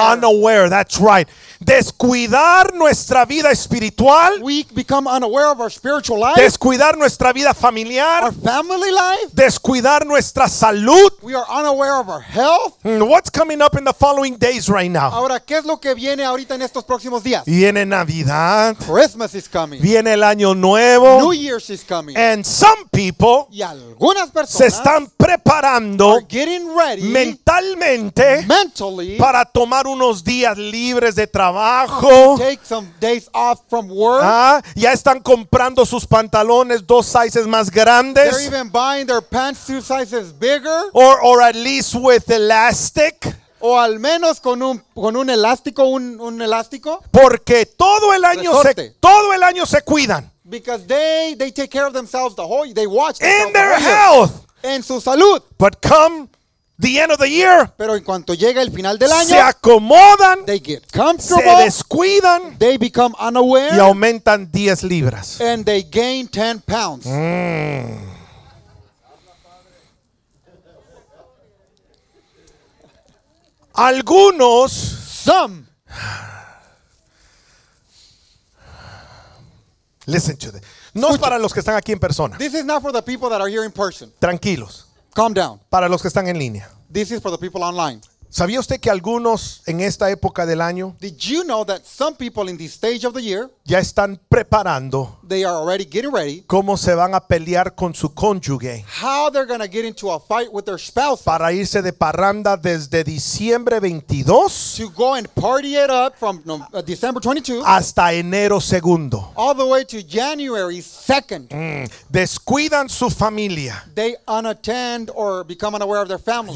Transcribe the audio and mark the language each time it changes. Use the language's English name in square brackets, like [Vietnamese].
[English] Unaware, that's right. [Spanish] Descuidar nuestra vida espiritual. [English] We become unaware of our spiritual life. [Spanish] Descuidar nuestra vida familiar. [English] Our family life. [Spanish] Descuidar nuestra salud. [English] We are unaware of our health. What's coming up in the following days right now? [Spanish] Ahora, ¿qué es lo que viene ahorita en estos próximos días? Viene Navidad. [English] Christmas is coming. [Spanish] Viene el Año Nuevo. [English] New Year's is coming. And some people, [Spanish] y algunas personas, se están preparando, [English] are getting ready, [Spanish] mentalmente, [English] mentally, [Spanish] para tomar unos días libres de trabajo. [English] Take some days off from work. [Spanish] Ah, ya están comprando sus pantalones dos sizes más grandes. [English] They're even buying their pants two sizes bigger. Or at least with elastic. [Spanish] O al menos con un elástico, un elástico. Porque todo el año se cuidan. [English] Because they take care of themselves the whole, they watch in their health. [Spanish] en su salud. [English] But come the end of the year, [Spanish] pero en cuanto llega el final del año, se acomodan, [English] they get comfortable, [Spanish] se descuidan, [English] they become unaware, [Spanish] y aumentan 10 libras. [English] And they gain 10 pounds. [Spanish] Algunos, [English] some, listen to this. [Spanish] No es para los que están aquí en persona. [English] This is not for the people that are here in person. [Spanish] Tranquilos. [English] Calm down. [Spanish] Para los que están en línea. [English] This is for the people online. [Spanish] ¿Sabía usted que algunos en esta época del año, [English] did you know that some people in this stage of the year, [Spanish] ya están preparando, [English] they are already getting ready, [Spanish] cómo se van a pelear con su cónyuge, [English] how they're going to get into a fight with their spouse, [Spanish] para irse de parranda desde diciembre 22, [English] to go and party it up from December 22, [Spanish] hasta enero 2, [English] all the way to January 2nd. [Spanish] Descuidan su familia. [English] They unattend or become unaware of their family.